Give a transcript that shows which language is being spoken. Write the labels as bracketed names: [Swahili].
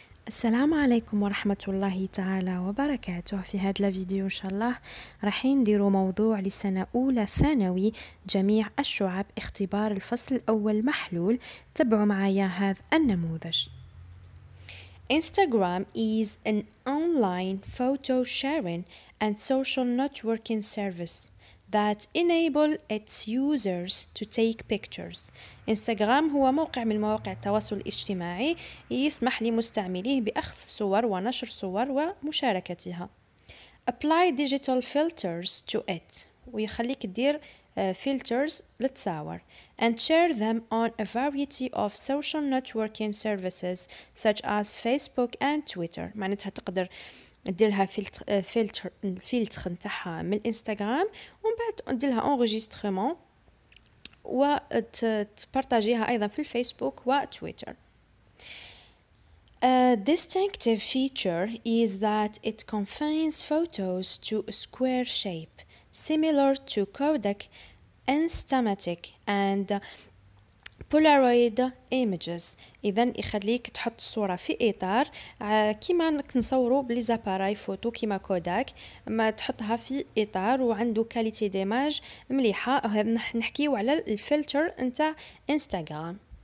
[Arabic] السلام عليكم ورحمه الله تعالى وبركاته. في هذا الفيديو ان شاء الله راح نديروا موضوع لسنه اولى ثانوي جميع الشعب اختبار الفصل الاول محلول. تابعوا معايا هذا النموذج. [English] Instagram is an online photo sharing and social networking service that enable its users to take pictures. [Arabic] إنستغرام هو موقع من مواقع التواصل الاجتماعي يسمح لمستعمليه بأخذ صور ونشر صور ومشاركتها. [English] Apply digital filters to it [Arabic] ويخليك تدير [English] filters [Arabic] للتصاور. [English] And share them on a variety of social networking services such as Facebook and Twitter. [Arabic] معناتها تقدر ديرها فلتر نتاعها من الانستغرام ومن بعد ديرها انريجسترمون وتبارطاجيها ايضا في الفيسبوك وتويتر. [English] A distinctive feature is that it confines photos to a square shape similar to Kodak Instamatic and Polaroid images. [Arabic] اذا يخليك تحط الصوره في اطار كيما نصوروا بليزاباراي فوتو كيما كوداك، ما تحطها في اطار وعنده كاليتي ديماج مليحه. نحكيو على الفلتر نتاع انستغرام.